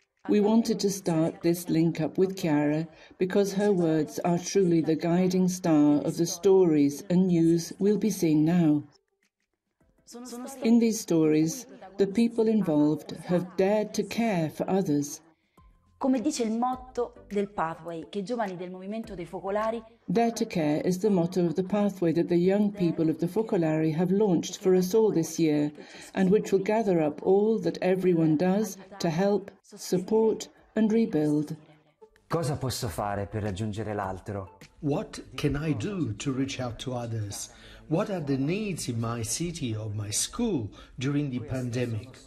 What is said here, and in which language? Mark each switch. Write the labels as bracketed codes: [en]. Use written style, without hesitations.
[en] We wanted to start this link up with Chiara because her words are truly the guiding star of the stories and news we'll be seeing now. In these stories, the people involved have dared to care for others. [it] Come dice il motto del pathway che i giovani del movimento dei focolari. [en] Dare to care is the motto of the pathway that the young people of the Focolare have launched for us all this year, and which will gather up all that everyone does to help, support and rebuild. [it] Cosa posso fare per raggiungere l'altro? [en] What can I do to reach out to others? What are the needs in my city or my school during the pandemic?